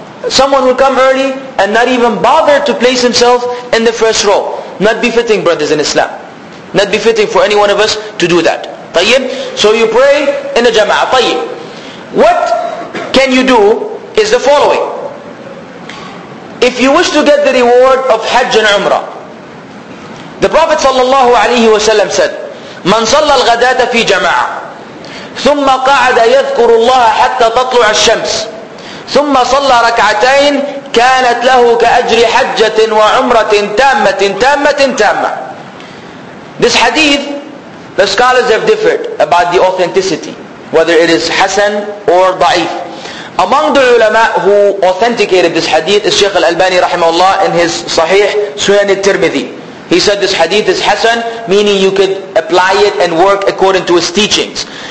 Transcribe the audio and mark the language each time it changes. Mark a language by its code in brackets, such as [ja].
[en] Someone will come early and not even bother to place himself in the first row. Not befitting, brothers in Islam. Not befitting for any one of us to do that. [ar] طيب. [en] So you pray in a jama'ah. [ar] طيب. [en] What can you do is the following. If you wish to get the reward of Hajj and Umrah, the Prophet ﷺ said, [ar] من صلى الغداة في جماعة ثم قعد يذكر الله حتى تطلع الشمس ثم صلى ركعتين كانت له كأجر حجة وعمرة تامة تامة تامة. [en] This hadith, the scholars have differed about the authenticity, whether it is Hassan or Daif. Among the ulama who authenticated this hadith is Sheikh Al-Albani rahimahullah in his Sahih Sunan al-Tirmidhi. He said this hadith is Hassan, meaning you could apply it and work according to his teachings.